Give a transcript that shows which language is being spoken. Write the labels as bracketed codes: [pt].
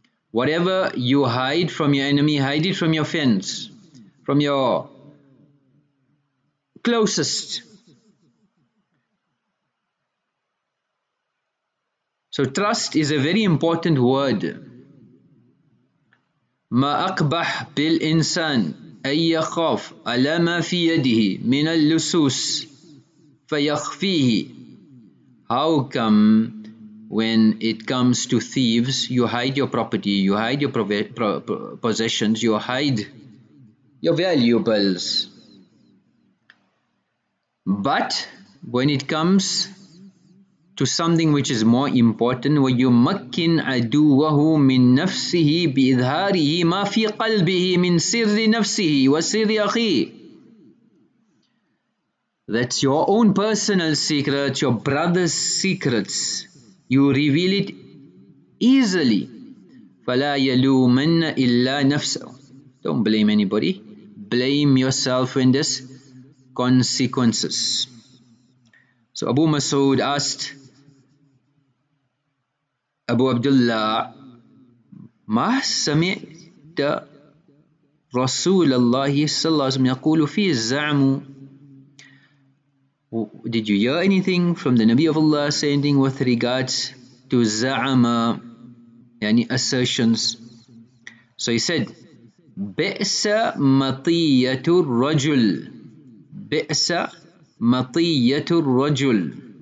[en] Whatever you hide from your enemy, hide it from your friends, from your closest. So trust is a very important word. [ar] ما أقبح بالإنسان أن يخاف على ما في يده من اللصوص فيخفيه. [en] How come when it comes to thieves, you hide your property, you hide your possessions, you hide your valuables. But when it comes to something which is more important, [ar] وَيُمَكِّنْ عَدُوَّهُ مِنْ نَفْسِهِ بِإِذْهَارِهِ مَا فِي قَلْبِهِ مِنْ سِرِّ نَفْسِهِ وَسِرِّ أَخِيهِ. [en] That's your own personal secrets, your brother's secrets. You reveal it easily. [ar] فَلَا يَلُومَنَّ إِلَّا نَفْسَهُ. [en] Don't blame anybody. Blame yourself when there's consequences. So Abu Mas'ud asked Abu Abdullah, [ar] مَا سَمِعْتَ رَسُولَ اللَّهِ صَلَّى اللَّهُ عَلَيْهِ وَسَلَّمَ يَقُولُ فِي الزَّعْمُ. [en] Did you hear anything from the Nabi of Allah saying with regards to za'ama, yani assertions? [ar] So he said, بِئْسَ مَطِيَّةُ الرَّجُلِ. بِئْسَ مَطِيَّةُ الرَّجُلِ.